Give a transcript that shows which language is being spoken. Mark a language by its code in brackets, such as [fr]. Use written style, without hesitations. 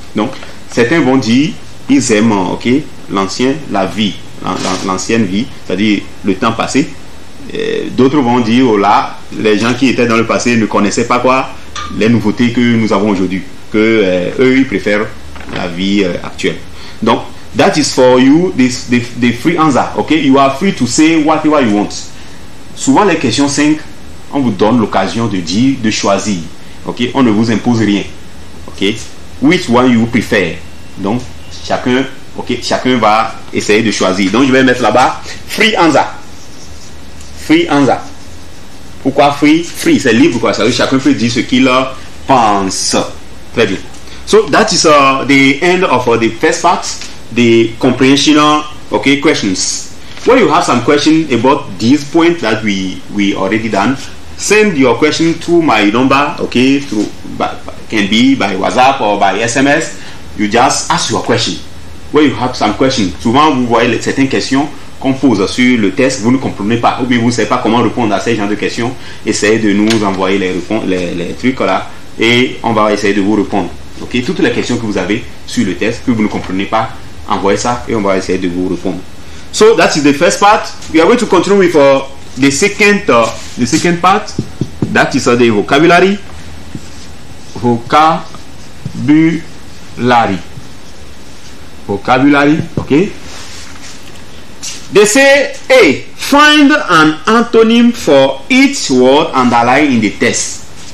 [fr] Donc certains vont dire ils aiment, okay, l'ancienne vie, c'est-à-dire le temps passé. D'autres vont dire, oh là, les gens qui étaient dans le passé ne connaissaient pas quoi les nouveautés que nous avons aujourd'hui, que eux ils préfèrent la vie actuelle. [en] Donc that is for you, the free answer. Okay, you are free to say whatever you want. [fr] Souvent les questions 5, on vous donne l'occasion de dire, de choisir. Okay, on ne vous impose rien. Okay, [en] which one you prefer? [fr] Donc chacun va essayer de choisir. Donc je vais mettre là-bas free answer. Free Anza. Pourquoi free? Free, c'est libre quoi. Ça veut dire chacun peut dire ce qu'il pense. Très bien. [en] So that is the end of the first part, the comprehension, okay, questions. When you have some questions about this point that we already done, send your question to my number, okay, can be by WhatsApp or by SMS. You just ask your question. When you have some questions, [fr] souvent vous voyez certaines questions qu'on pose sur le test, vous ne comprenez pas, ou bien vous ne savez pas comment répondre à ces genres de questions, essayez de nous envoyer les trucs là, et on va essayer de vous répondre. Ok, toutes les questions que vous avez sur le test, que vous ne comprenez pas, envoyez ça, et on va essayer de vous répondre. [en] So, that is the first part. We are going to continue with the second part. That is the vocabulary. Vocabulary. Ok. They say, hey, find an antonym for each word underlined in the text.